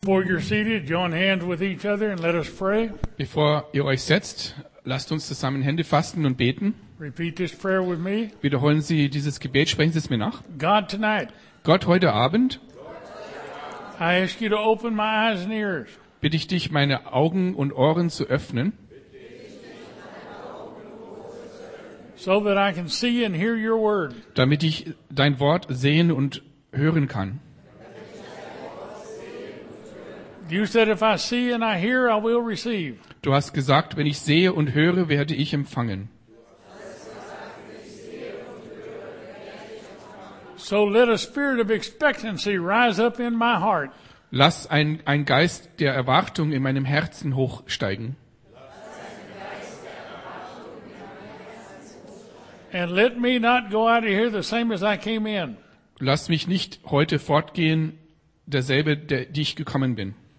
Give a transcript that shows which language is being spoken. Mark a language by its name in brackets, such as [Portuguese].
[English] Before you're seated, join hands with each other and let us pray. [German] Bevor ihr euch setzt, lasst uns zusammen Hände fassen und beten. [English] Repeat this prayer with me. [German] Wiederholen Sie dieses Gebet, sprechen Sie es mir nach. [English] God tonight. [German] Gott heute Abend. [English] I ask you to open my eyes and ears. [German] Bitte ich dich, meine Augen und Ohren zu öffnen. [English] So that I can see and hear your word. [German] Damit ich dein Wort sehen und hören kann. [English] You said, if I see and I hear, I will receive. [German] Du hast gesagt, wenn ich sehe und höre, werde ich empfangen. [English] So let a spirit of expectancy rise up in my heart. [German] Lass ein Geist der Erwartung in meinem Herzen hochsteigen. [English] And let me not go out of here the same as I came in. [German] Lass mich nicht heute fortgehen, derselbe, der die ich gekommen bin.